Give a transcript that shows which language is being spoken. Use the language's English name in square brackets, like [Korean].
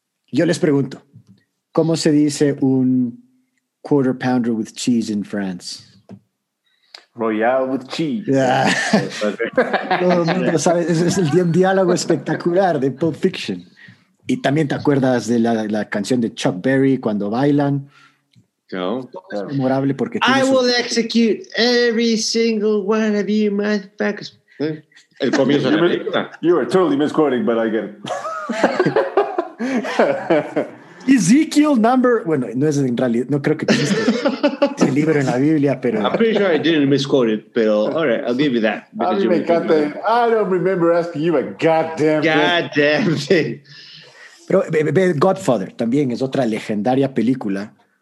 [Spanish] Yo les pregunto, ¿cómo se dice un quarter pounder with cheese in France? [English] Royale with cheese. Yeah. [Spanish] Todo el mundo sabe, es el diálogo espectacular de Pulp Fiction. Y también te acuerdas de la canción de Chuck Berry cuando bailan. No. Es memorable porque [English] I will execute every single one of you motherfuckers. [Spanish] El comienzo de la película. [English] You are totally misquoting, but I get it. [Spanish] Ezekiel number, bueno, no es en realidad, no creo que exista el libro en la Biblia, pero [English] I'm pretty sure I didn't misquote it, pero all right, I'll give you that. [Spanish] A mí me encanta. [English] I don't remember asking you a goddamn thing. [Spanish] Pero ve Godfather, también es otra legendaria película.